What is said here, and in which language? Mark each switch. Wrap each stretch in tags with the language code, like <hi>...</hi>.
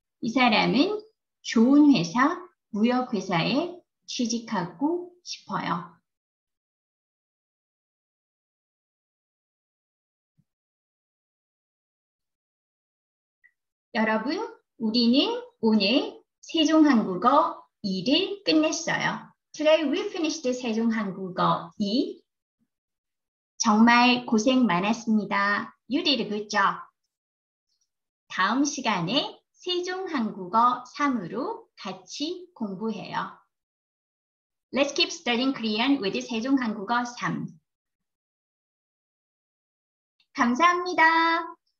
<ko>이 사람은 좋은 회사, 무역회사에 취직하고 싶어요. 여러분, 우리는 오늘 세종한국어 2를 끝냈어요.</ko> <en>Today we finished 세종한국어 2.</en> <ko>정말 고생 많았습니다.</ko> <en>You did a good job.</en> <ko>다음 시간에 세종한국어 3으로 같이 공부해요.</ko> <en>Let's keep studying Korean with 세종한국어 3.</en> <ko>감사합니다.</ko>